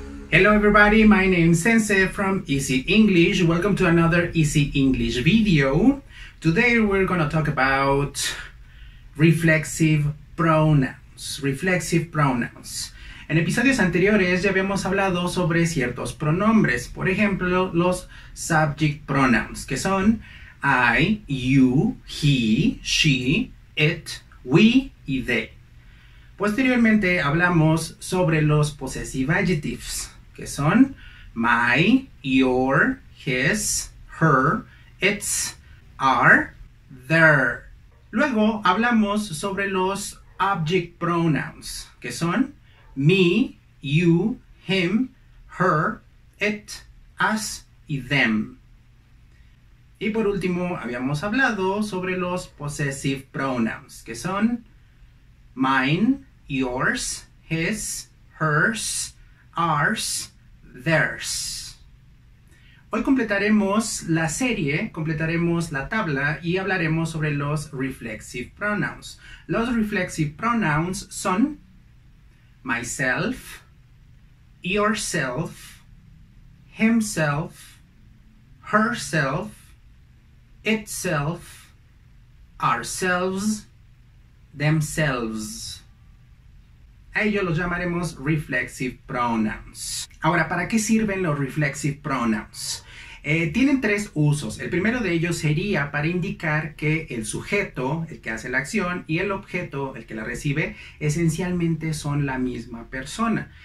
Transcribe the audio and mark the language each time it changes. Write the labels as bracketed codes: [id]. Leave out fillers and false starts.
[en] Hello everybody, my name is Sensei from Easy English. Welcome to another Easy English video. Today we're gonna talk about reflexive pronouns. Reflexive pronouns. [es] En episodios anteriores ya habíamos hablado sobre ciertos pronombres. Por ejemplo, los subject pronouns, que son [en] I, you, he, she, it, we [es] y [en] they. [es] Posteriormente hablamos sobre los possessive adjectives, que son [en] my, your, his, her, its, our, their. [es] Luego hablamos sobre los object pronouns, que son [en] me, you, him, her, it, us [es] y [en] them. [es] Y por último habíamos hablado sobre los possessive pronouns, que son [en] mine, yours, his, hers, ours, theirs. [es] Hoy completaremos la serie, completaremos la tabla y hablaremos sobre los reflexive pronouns. Los reflexive pronouns son [en] myself, yourself, himself, herself, itself, ourselves, themselves. [es] A ellos los llamaremos reflexive pronouns. Ahora, ¿para qué sirven los reflexive pronouns? Tienen tres usos. El primero de ellos sería para indicar que el sujeto, el que hace la acción, y el objeto, el que la recibe, esencialmente son la misma persona.